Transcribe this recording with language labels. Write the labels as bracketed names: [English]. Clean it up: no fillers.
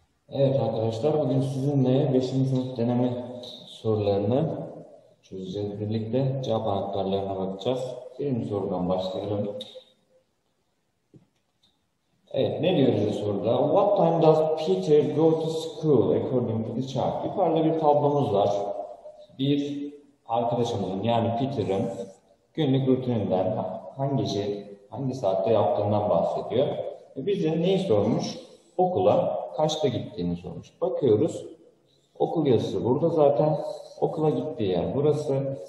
[Turkish] Evet arkadaşlar, bugün sizinle 5. sınıf deneme sorularını çözeceğiz. Birlikte cevap anahtarlarına bakacağız. Birinci sorudan başlayalım. Evet, ne diyoruz bu soruda? [English] What time does Peter go to school according to the chart? [Turkish] Yukarıda bir tablomuz var. Bir arkadaşımızın, yani Peter'ın günlük rutininden, hangi saatte yaptığından bahsediyor. Bize neyi sormuş? Okula kaçta gittiğini sormuş. Bakıyoruz. Okul yazısı burada zaten. Okula gittiği yer burası.